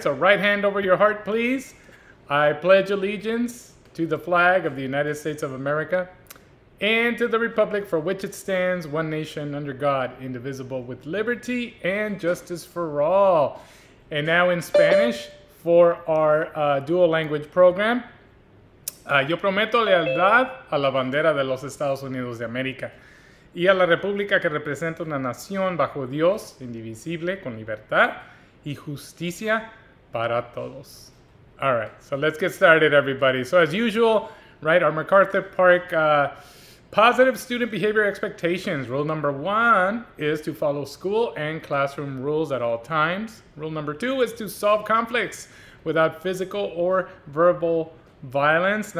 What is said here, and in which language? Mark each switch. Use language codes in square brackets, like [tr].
[en] So right hand over your heart, please. I pledge allegiance to the flag of the United States of America and to the Republic for which it stands, one nation under God, indivisible with liberty and justice for all. And now in Spanish for our dual language program. [es] Yo prometo lealtad a la bandera de los Estados Unidos de América. Y a la república que representa una nación bajo Dios, indivisible, con libertad y justicia para todos. [en] All right, so let's get started, everybody. So as usual, right, our MacArthur Park positive student behavior expectations. Rule number one is to follow school and classroom rules at all times. Rule number two is to solve conflicts without physical or verbal violence.